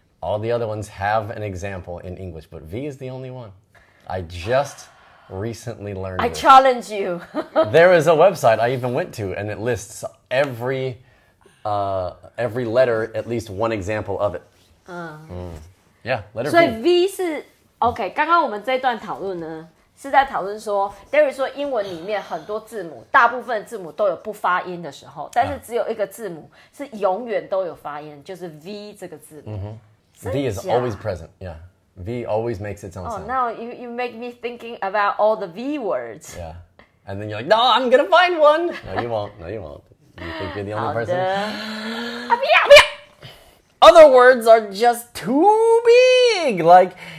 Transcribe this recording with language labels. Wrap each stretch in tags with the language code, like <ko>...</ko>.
<en>All the other ones have an example in English, but V is the only one. I just recently learned it. I challenge you. There is a website I even went to, and it lists every letter, at least one example of it. Yeah, letter V. So V is...</en> <zh>Okay, 刚刚我们这一段讨论呢是在讨论说 Derry 说英文里面很多字母大部分字母都有不发音的时候但是只有一个字母是永远都有发音就是 V 这个字母、</zh> <en>mm-hmm. V is always present, yeah. V always makes its own sound. Oh, now you make me thinking about all the V words. Yeah, and then you're like, no, I'm gonna find one. No, you won't, no, you won't. You think you're the only person?</en> <zh>好的。不要</zh> <en>Other words are just too big, like...</en>